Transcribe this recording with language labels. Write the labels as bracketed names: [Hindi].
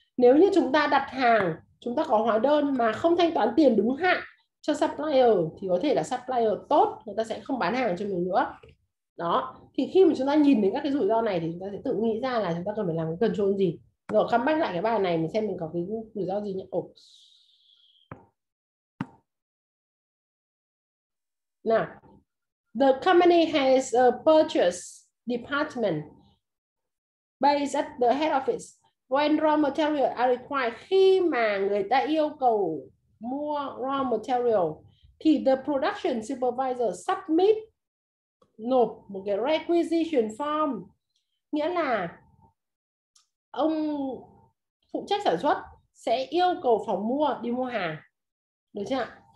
[Vietnamese] Nếu như chúng ta đặt hàng, chúng ta có hóa đơn mà không thanh toán tiền đúng hạn cho supplier thì có thể là supplier tốt người ta sẽ không bán hàng cho mình nữa. Đó, thì khi mà chúng ta nhìn đến các cái rủi ro này thì chúng ta sẽ tự nghĩ ra là chúng ta cần phải làm cái control gì. Rồi [English] come back [Vietnamese] lại cái bài này mình xem mình có cái rủi ro gì nhé. [English] Now, the company has a purchase department based at the head office. When raw material are required, [Vietnamese] khi mà người ta yêu cầu mua raw material thì [English] the production supervisor submit [Vietnamese] nộp một cái requisition form, nghĩa là ông phụ trách sản xuất sẽ yêu cầu phòng mua đi mua hàng, được chưa?